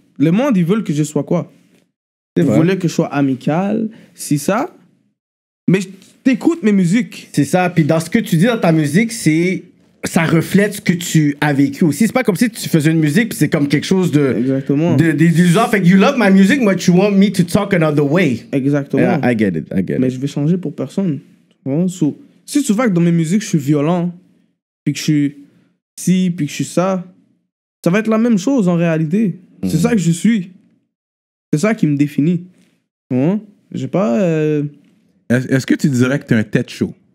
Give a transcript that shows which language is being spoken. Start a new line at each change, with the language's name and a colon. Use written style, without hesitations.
French: Le monde, ils veulent que je sois quoi? Ils voulaient que je sois amical, c'est ça. Mais t'écoutes mes musiques. C'est ça. Puis dans ce que tu dis dans ta musique, c'est ça reflète ce que tu as vécu aussi. C'est pas comme si tu faisais une musique puis c'est comme quelque chose de... Exactement. D'illusant. Fait que
English: you love my music, but you want me to talk another way.
French: Exactement.
English: Yeah, I get it.
French: Mais je vais changer pour personne. Si tu vois que dans mes musiques, je suis violent... puis que je suis ci, puis que je suis ça, ça va être la même chose en réalité. C'est ça que je suis. C'est ça qui me définit. J'ai pas... Est-ce que tu dirais que t'es un tête chaud?